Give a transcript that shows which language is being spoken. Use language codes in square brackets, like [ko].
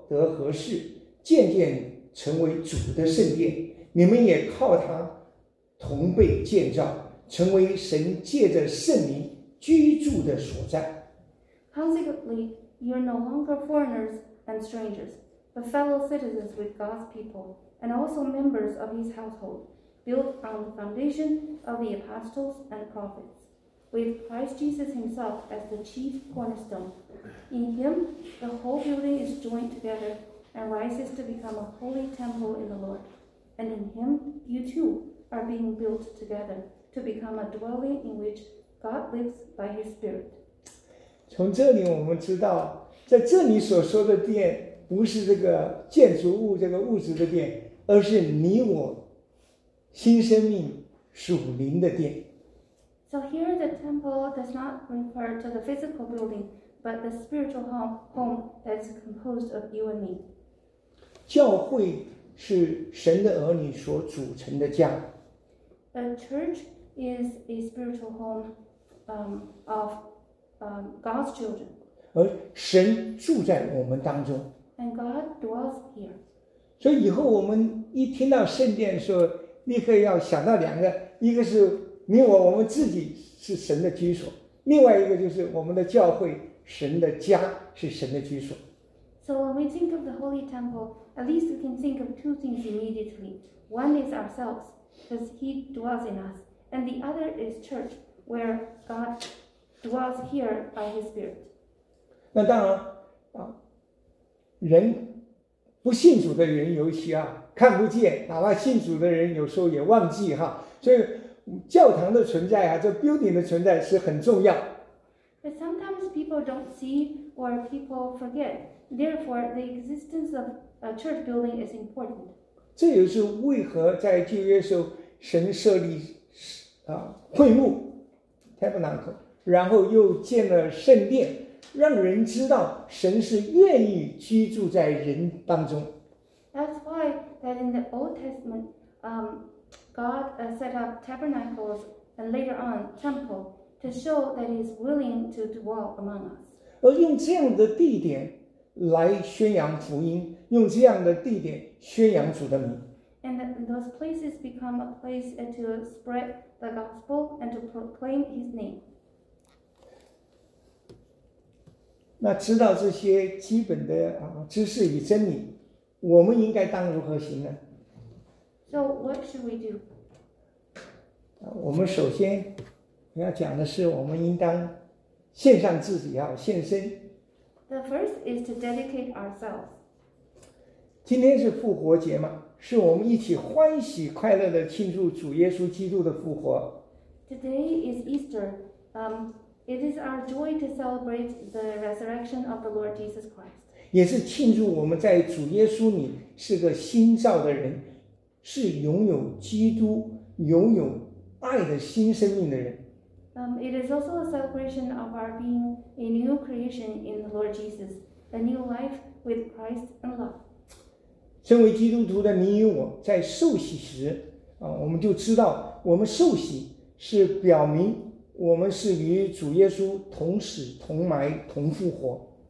[zh] 得合适，渐渐成为主的圣殿，你们也靠他同被建造，成为神借着圣灵居住的所在。 [en] Consequently, you are no longer foreigners and strangers, but fellow citizens with God's people, and also members of His household, built on the foundation of the apostles and prophets. With Christ Jesus Himself as the chief cornerstone. In Him, the whole building is joined together and rises to become a holy temple in the Lord. And in Him, you too are being built together to become a dwelling in which God lives by His Spirit. [zh] 从这里我们知道，在这里所说的殿，不是这个建筑物，这个物质的殿，而是你我新生命属灵的殿。 [en] So here the temple does not refer to the physical building, but the spiritual home that is composed of you and me. [zh] 教会是神的儿女所组成的家。 [en] A church is a spiritual home of God's children. [zh] 而神住在我们当中。 [en] And God dwells here. [zh] 所以以后我们一听到圣殿说，立刻要想到两个，一个是你我们自己是神的居所，另外一个就是我们的教会，神的家是神的居所。 [en] So when we think of the holy temple, at least we can think of two things immediately. One is ourselves, because He dwells in us, and the other is church, where God dwells here by His Spirit. [zh] 那当然啊，人不信主的人尤其啊看不见，哪怕信主的人有时候也忘记哈，所以。教堂的存在啊，这 building 的存在是很重要。 [en] But sometimes people don't see or people forget. Therefore, the existence of a church building is important. [zh] 这也是为何在旧约时候神设立会幕 tabernacle， 然后又建了圣殿，让人知道神是愿意居住在人当中。 [en] That's why that in the Old Testament, God set up tabernacles and later on temple to show that He is willing to dwell among us. [zh] 而用这样的地点来宣扬福音，用这样的地点宣扬主的名。 [en] And those places become a place to spread the gospel and to proclaim His name. [zh] 那知道这些基本的知识与真理，我们应该当如何行呢？ [en] So what should we do? [zh] 我们首先要讲的是我们应当献上自己，要献身。 [en] The first is to dedicate ourselves. [zh] 今天是复活节嘛，是我们一起欢喜快乐的庆祝主耶稣基督的复活。 [en] Today is Easter. It is our joy to celebrate the resurrection of the Lord Jesus Christ. [zh] 也是庆祝我们在主耶稣里是个新造的人。是拥有基督、拥有爱的新生命的人。 [en] It is also a celebration of our being a new creation in the Lord Jesus, a new life with Christ and love. [zh] 身为基督徒的你与我在受洗时、我们就知道我们受洗是表明我们是与主耶稣同死同埋同复活。